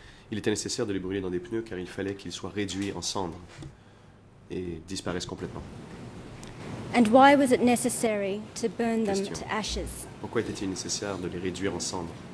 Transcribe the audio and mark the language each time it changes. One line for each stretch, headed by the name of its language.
French: Il était nécessaire de les brûler dans des pneus car il fallait qu'ils soient réduits en cendres et disparaissent complètement.
English: And why was it necessary to burn them question. To ashes?
French: Pourquoi était-il nécessaire de les réduire en cendres?